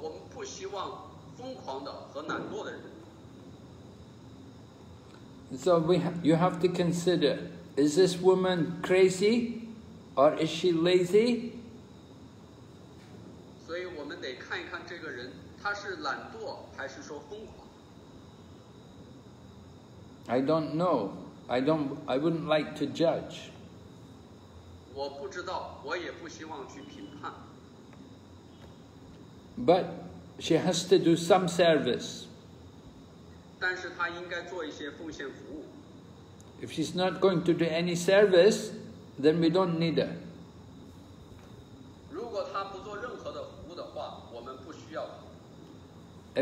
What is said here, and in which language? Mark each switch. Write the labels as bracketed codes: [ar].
[zh] 我们不希望疯狂的和懒惰的人。 [en] So you have to consider, is this woman crazy or is she lazy? [zh] 所以我们得看一看这个人, 他是懒惰还是说疯狂? [en] I don't know. I wouldn't like to judge. [zh] 我不知道, 我也不希望去评判。 [en] But she has to do some service. [zh] 但是她应该做一些奉献服务。 [en] If she's not going to do any service, then we don't need her. [zh] 如果她不做任何的服务的话, 我们不需要她。